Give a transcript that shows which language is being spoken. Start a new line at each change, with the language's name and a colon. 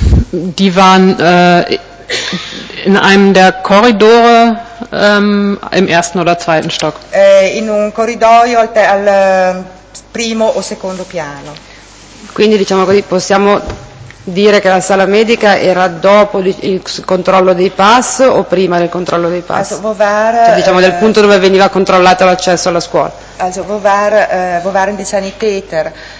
German: Die waren in einem der Korridore im ersten oder zweiten Stock.
Italian: In un corridoio al primo o secondo piano. Quindi diciamo così, possiamo dire che la sala medica era dopo il controllo dei pass o prima del controllo dei pass?
German: Also, war,
Italian: cioè, diciamo del punto dove veniva controllato l'accesso alla scuola.
German: Also wo war die Sanitäter?